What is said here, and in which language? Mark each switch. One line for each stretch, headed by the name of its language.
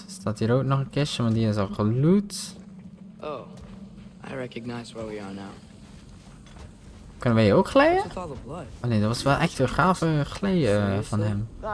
Dutch: Staat hier ook nog een kistje, maar die is al geloot.
English: Oh, I recognize where we are now.
Dutch: Kunnen wij ook glijden? Oh nee, dat was wel echt een gave glijden van hem.